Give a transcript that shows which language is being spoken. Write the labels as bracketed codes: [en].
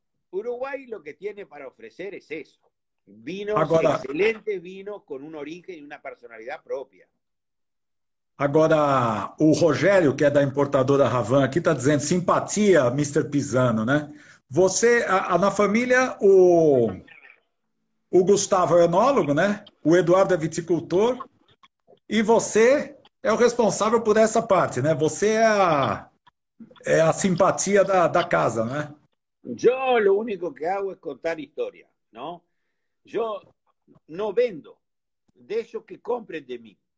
[es] Uruguay lo que tiene para ofrecer es eso, vinos, excelentes vinos con un origen y una personalidad propia. [pt] Agora, o Rogério, que é da importadora Ravan, aqui está dizendo, simpatia, Mr. Pisano, né? Você, na família, o Gustavo é enólogo, né? O Eduardo é viticultor e você é o responsável por essa parte, né? Você é a simpatia da casa, né? [es] Yo lo único que hago es contar historia, ¿no? Yo no vendo, dejo que compren de mí.